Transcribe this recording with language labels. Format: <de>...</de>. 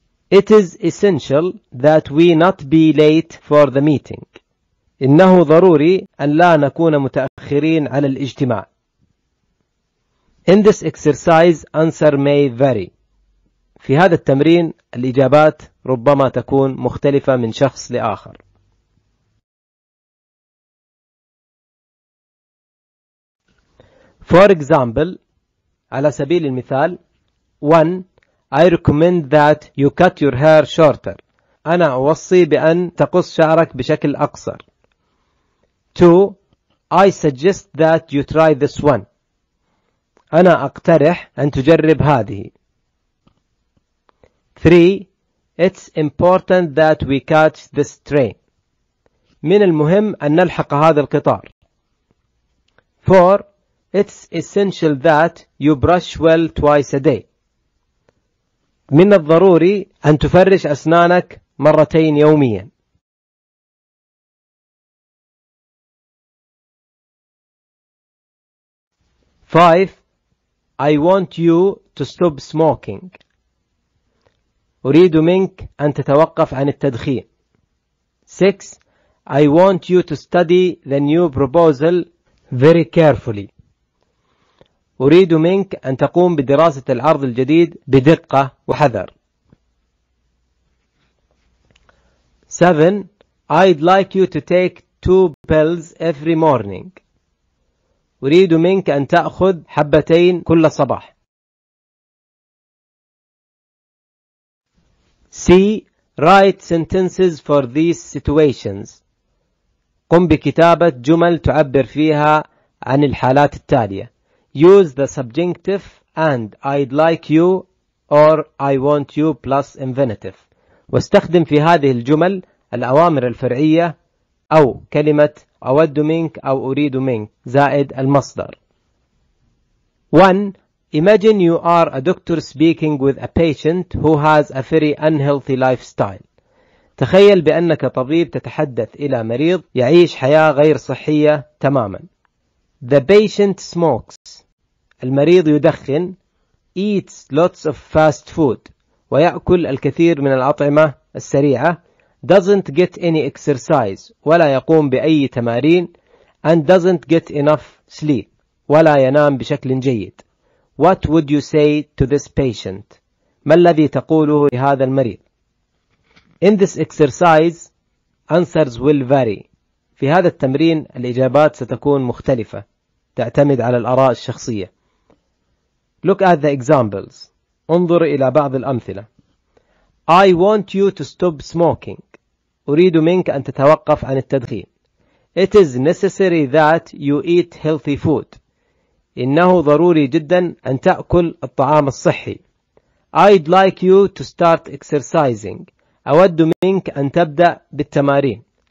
<en>It is essential that we not be late for the meeting.</en> <ar>إنه ضروري أن لا نكون متأخرين على الاجتماع.</ar> <en>In this exercise, answer may vary.</en> <ar>في هذا التمرين الإجابات ربما تكون مختلفة من شخص لآخر.</ar> <en>For example,</en> <ar>على سبيل المثال</ar> <en>1. I recommend that you cut your hair shorter.</en> <ar>أنا أوصي بأن تقص شعرك بشكل أقصر.</ar> <en>2. I suggest that you try this one.</en> <ar>أنا أقترح أن تجرب هذه.</ar> <en>3. It's important that we catch this train.</en> <ar>من المهم أن نلحق هذا القطار.</ar> <en>4. It's essential that you brush well twice a day.</en> <ar>من الضروري أن تفرش أسنانك مرتين يوميا.</ar> <en>Five. I want you to stop smoking.</en> <ar>أريد منك أن تتوقف عن التدخين.</ar> <en>Six. I want you to study the new proposal very carefully.</en> <ar>أريد منك أن تقوم بدراسة العرض الجديد بدقة وحذر.</ar> <en>7. I'd like you to take 2 pills every morning.</en> <ar>أريد منك أن تأخذ حبتين كل صباح.</ar> <en>C. Write sentences for these situations.</en> <ar>قم بكتابة جمل تعبر فيها عن الحالات التالية.</ar> <en>Use the subjunctive and I'd like you or I want you plus infinitive.</en> <ar>واستخدم في هذه الجمل الأوامر الفرعية أو كلمة أود منك أو أريد منك زائد المصدر.</ar> <en>1. Imagine you are a doctor speaking with a patient who has a very unhealthy lifestyle.</en> <ar>تخيل بأنك طبيب تتحدث إلى مريض يعيش حياة غير صحية تماما.</ar> <en>The patient smokes.</en> <ar>المريض يدخن.</ar> <en>Eats lots of fast food.</en> <ar>ويأكل الكثير من الأطعمة السريعة.</ar> <en>Doesn't get any exercise.</en> <ar>ولا يقوم بأي تمارين.</ar> <en>And doesn't get enough sleep.</en> <ar>ولا ينام بشكل جيد.</ar> <en>What would you say to this patient?</en> <ar>ما الذي تقوله لهذا المريض؟</ar> <en>In this exercise, answers will vary.</en> <ar>في هذا التمرين الإجابات ستكون مختلفة. تعتمد على الآراء الشخصية.</ar> <en>Look at the examples.</en> <ar>انظر إلى بعض الأمثلة.</ar> <en>I want you to stop smoking.</en> <ar>أريد منك أن تتوقف عن التدخين.</ar> <en>It is necessary that you eat healthy food.</en> <ar>إنه ضروري جدا أن تأكل الطعام الصحي.</ar> <en>I'd like you to start exercising.</en> <ar>أود منك أن تبدأ بالتمارين.</ar>